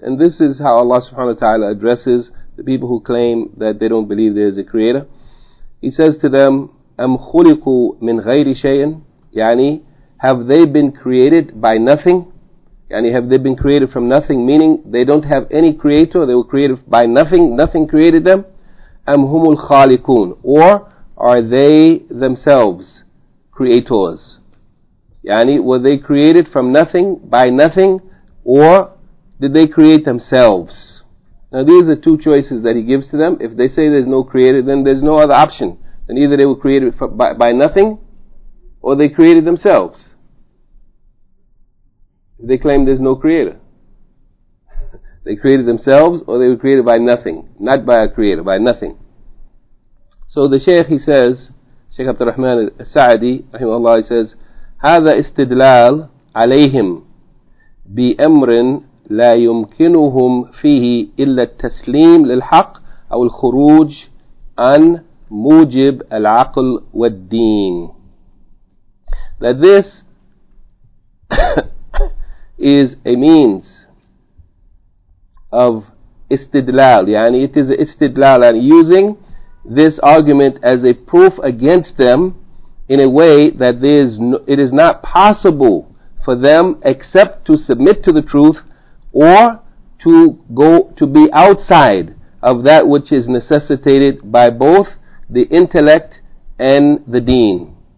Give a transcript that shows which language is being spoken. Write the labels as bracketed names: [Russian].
[English] And this is how Allah subhanahu wa ta'ala addresses the people who claim that they don't believe there is a creator. He says to them, [Arabic] أَمْ خُلِقُوا مِنْ غَيْرِ شَيْءٍ. [English] Yani, have they been created by nothing? Yani, have they been created from nothing? Meaning, they don't have any creator. They were created by nothing. Nothing created them. [Arabic] Am humul khalikun? [English] Or are they themselves creators? Yani, were they created from nothing, by nothing? Or did they create themselves? Now, these are two choices that he gives to them. If they say there's no creator, then there's no other option. Then either they were created by nothing, or they created themselves. They claim there's no creator. They created themselves, or they were created by nothing. Not by a creator, by nothing. So the Shaykh, he says, [Arabic] Shaykh Abdul Rahman al-Sa'di, rahimahullah, he says, هذا استدلال عليهم بأمر لا يمكنهم فيه إلا التسليم للحق أو الخروج عن موجب العقل والدين. [English] That this is a means of istidlal, yani it is istidlal, and using this argument as a proof against them in a way that there is no, it is not possible for them except to submit to the truth or to go to be outside of that which is necessitated by both the intellect and the deen.